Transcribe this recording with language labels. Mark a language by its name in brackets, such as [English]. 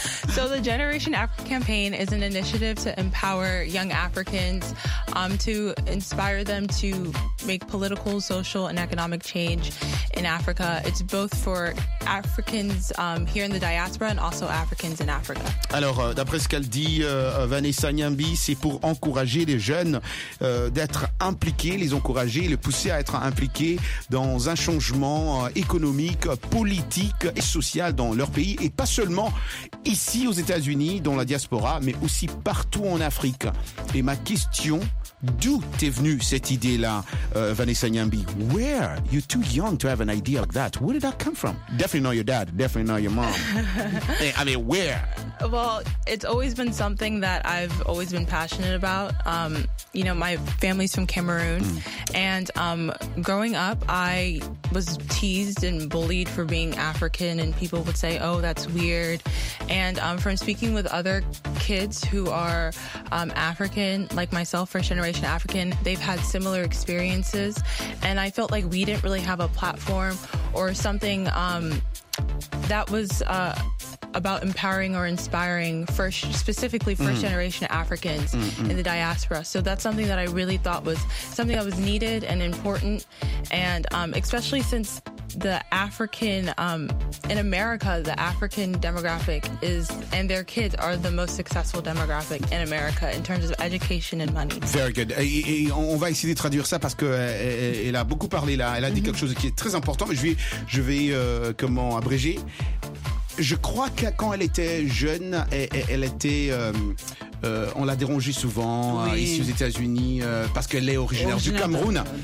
[English] So the Generation Africa campaign is an initiative to empower young Africans, to inspire them to make political, social, and economic change in Africa. It's both for Africans here in the diaspora and also Africans in Africa. [French] Alors, d'après ce qu'elle dit, Vanessa Nyambi, c'est pour encourager les jeunes d'être impliqués, les encourager, les pousser à être impliqués dans un changement économique, politique et social dans leur pays, et pas seulement ici aux États-Unis, dans la diaspora, mais aussi partout en Afrique. Et ma question, d'où t'es venue cette idée-là, Vanessa Nyambi? [English] Where? You're too young to have an idea like that. Where did that come from? Definitely not your dad. Definitely not your mom. I mean, where? Well, it's always been something that I've always been passionate about. You know, my family's from Cameroon. Mm. And growing up, I was teased and bullied for being African. And people would say, oh, that's weird. And from speaking with other kids who are African, like myself, first generation African, they've had similar experiences. And I felt like we didn't really have a platform or something that was about empowering or inspiring specifically first generation Africans in the diaspora. So that's something that I really thought was something that was needed and important. And especially since the African, in America, the African demographic is, and their kids are the most successful demographic in America in terms of education and money. Very good. [French] Et on va essayer de traduire ça parce que elle a beaucoup parlé là. Elle a dit quelque chose qui est très important, mais je vais, comment abréger. Je crois que quand elle était jeune, elle était, on l'a dérangée souvent ici aux États-Unis parce qu'elle est originaire du Cameroun.